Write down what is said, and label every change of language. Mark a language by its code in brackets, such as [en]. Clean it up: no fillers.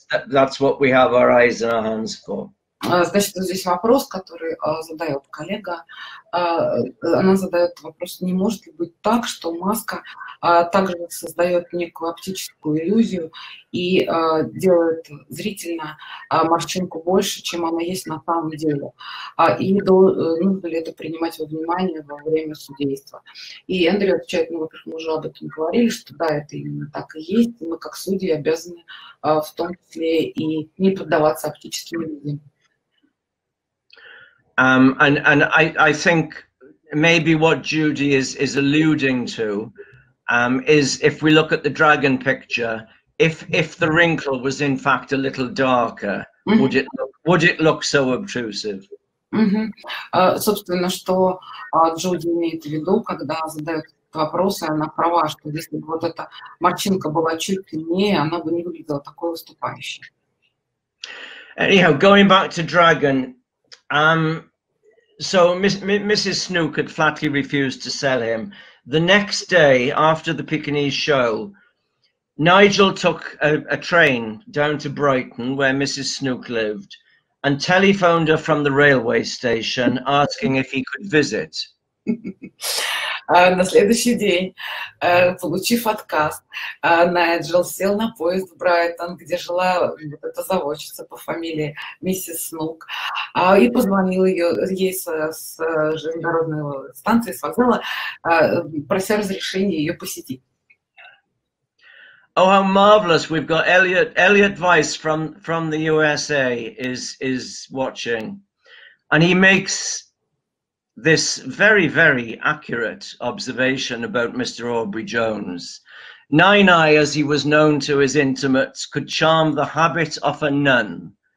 [en] That's what we have our eyes and our hands for. [ru] Значит, здесь вопрос, который задает коллега. Она задает вопрос, не может ли быть так, что маска также создает некую оптическую иллюзию и делает зрительно морщинку больше, чем она есть на самом деле. И нужно ли это принимать во внимание во время судейства? И Эндрю отвечает, ну, во-первых, мы уже об этом говорили, что да, это именно так и есть, и мы как судьи обязаны в том числе и не поддаваться оптическим иллюзиям. [en] And I think maybe what Judy is alluding to is if we look at the dragon picture, if the wrinkle was in fact a little darker, mm-hmm. would it look so obtrusive? Mm-hmm. [ru] Собственно, что Джуди имеет в виду, когда задает вопрос, и она права, что если бы вот эта морщинка была чуть темнее, она бы не выглядела такой выступающей. [en] Anyhow, going back to dragon. So Mrs. Snook had flatly refused to sell him. The next day, after the Pekinese show, Nigel took a train down to Brighton, where Mrs. Snook lived, and telephoned her from the railway station, asking if he could visit. [ru] На следующий день, получив отказ, Найджел сел на поезд в Брайтон, где жила вот эта заводчица по фамилии миссис Снук, и позвонил ей с железнодорожной станции, с вокзала, прося разрешения ее посетить. [en] Oh, how marvelous! We've got Elliot Weiss from the USA is watching, and he makes this very, very accurate observation about Mr. Aubrey Jones. Nine-Eye, as he was known to his intimates, could charm the habit of a nun.